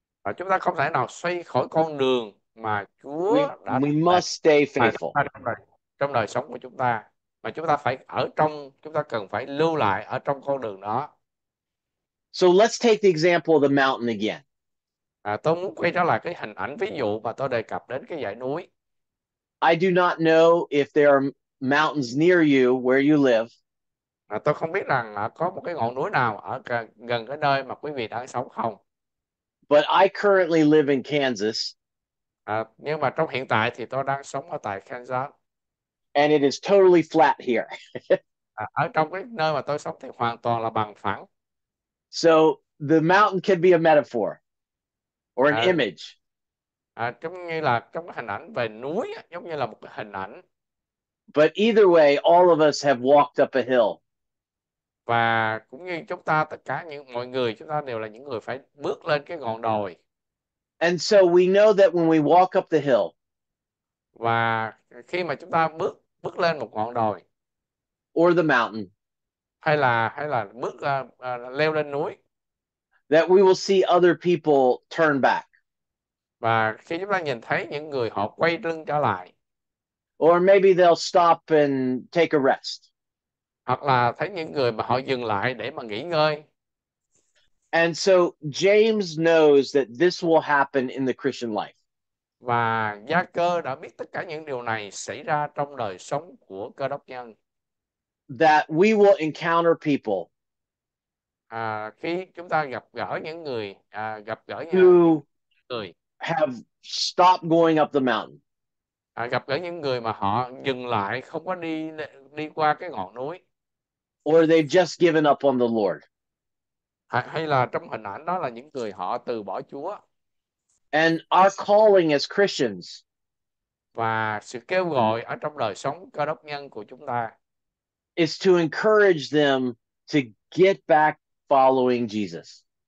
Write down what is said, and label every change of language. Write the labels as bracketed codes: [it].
[vi] và chúng ta không thể nào xoay khỏi con đường mà [en] We [vi] Chúa đã [en] must stay [vi] để [en] faithful. [vi] trong đời sống của chúng ta, mà chúng ta phải ở trong, chúng ta cần phải lưu lại ở trong con đường đó. [en] So let's take the example of the mountain again. [vi] À, tôi muốn quay trở lại cái hình ảnh ví dụ mà tôi đề cập đến cái dãy núi. [en] I do not know if there are mountains near you where you live. [vi] À, tôi không biết rằng có một cái ngọn núi nào ở gần cái nơi mà quý vị đang sống không. [en] But I currently live in Kansas. [vi] À, nhưng mà trong hiện tại thì tôi đang sống ở tại Kansas. [en] And it is totally flat here. [vi] À, ở trong cái nơi mà tôi sống thì hoàn toàn là bằng phẳng. [en] So the mountain can be a metaphor or an À, image. [vi] à, giống như là trong cái hình ảnh về núi, giống như là một cái hình ảnh. [en] But either way, all of us have walked up a hill. [vi] Và cũng như chúng ta, tất cả những mọi người chúng ta đều là những người phải bước lên cái ngọn đồi. [en] And so we know that when we walk up the hill, [vi] Và khi mà chúng ta bước bước lên một ngọn đồi [en] or the mountain, [vi] hay là bước leo lên núi, [en] that we will see other people turn back. [vi] và khi chúng ta nhìn thấy những người họ quay lưng trở lại, [en] Or maybe they'll stop and take a rest. [vi] hoặc là thấy những người mà họ dừng lại để mà nghỉ ngơi. [en] And so James knows that this will happen in the Christian life. [vi] Và Gia Cơ đã biết tất cả những điều này xảy ra trong đời sống của Cơ đốc nhân. [en] That we will encounter people [vi] À, khi chúng ta gặp gỡ những người gặp gỡ những [en] who [vi] người [en] have stopped going up the mountain. [vi] à, gặp gỡ những người mà họ dừng lại, không có đi đi qua cái ngọn núi. [en] Or they've just given up on the Lord. [vi] Hay là trong hình ảnh đó là những người họ từ bỏ Chúa. [en] And our calling as Christians [vi] Và sự kêu gọi ở trong đời sống Cơ đốc nhân của chúng ta [en] is to encourage them to get back following Jesus.